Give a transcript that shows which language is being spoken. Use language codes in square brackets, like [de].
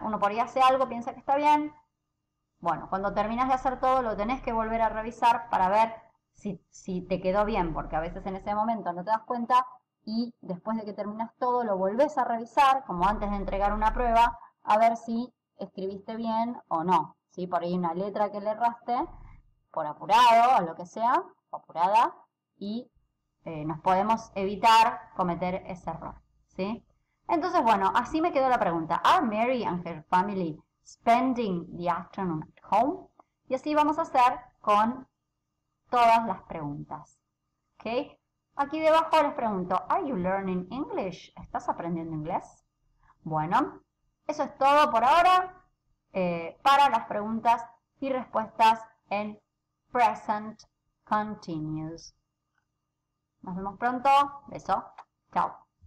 [es] Uno por ahí hace algo, piensa que está bien. Bueno, cuando terminas de hacer todo, lo tenés que volver a revisar para ver si te quedó bien, porque a veces en ese momento no te das cuenta y después de que terminas todo, lo volvés a revisar, como antes de entregar una prueba, a ver si escribiste bien o no. ¿Sí? Por ahí una letra que le erraste, por apurado o lo que sea, apurada, y nos podemos evitar cometer ese error. ¿Sí? Entonces, bueno, así me quedó la pregunta. [en] ¿Are Mary and her family spending the afternoon at home? [es] Y así vamos a hacer con todas las preguntas. ¿Okay? Aquí debajo les pregunto, [en] ¿Are you learning English? [es] ¿Estás aprendiendo inglés? Bueno, eso es todo por ahora para las preguntas y respuestas en Present Continuous. Nos vemos pronto. Beso. Chao.